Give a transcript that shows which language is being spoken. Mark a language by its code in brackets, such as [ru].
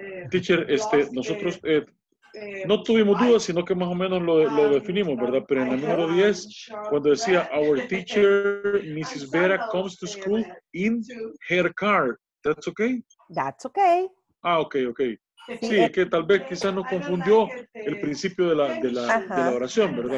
[es] Teacher, nosotros no tuvimos dudas, sino que más o menos lo definimos, ¿verdad? Pero en el número 10, cuando decía, [en] our teacher, Mrs. Vera, comes to school in her car. That's okay? That's okay. Ah, okay. [es] Sí, sí, que tal vez quizás nos confundió el principio de la oración, ¿verdad?